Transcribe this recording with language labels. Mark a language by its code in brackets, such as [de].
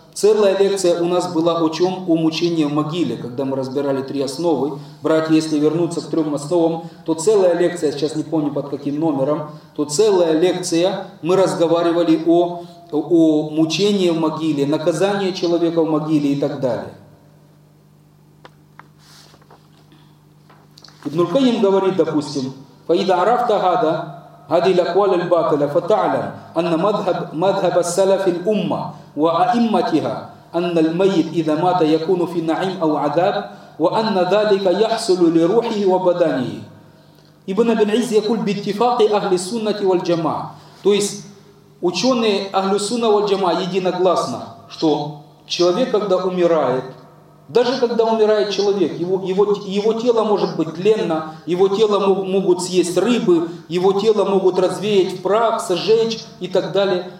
[ru] Целая лекция у нас была о чем? О мучении в могиле, когда мы разбирали три основы. Братья, если вернуться к трем основам, то целая лекция, сейчас не помню под каким номером, то целая лекция мы разговаривали о мучении в могиле, наказании человека в могиле и так далее. Ибн аль-Кайим говорит, допустим, [ar] فإذا عرفت هذا هذه الأقوال الباطلة فتعلم أن مذهب السلف الأمة وأئمتها أن الميت إذا مات يكون في نعيم أو عذاب وأن ذلك يحصل لروحه وبدنه. Ибн аль-Айз يقول باتفاق أهل السنة والجماعة. [ru] То есть ученые Ахлю Сунна валь Джамаа единогласно, что человек, когда умирает, даже когда умирает человек, его тело может быть тленно, его тело могут съесть рыбы, его тело могут развеять в прах, сожечь и так далее.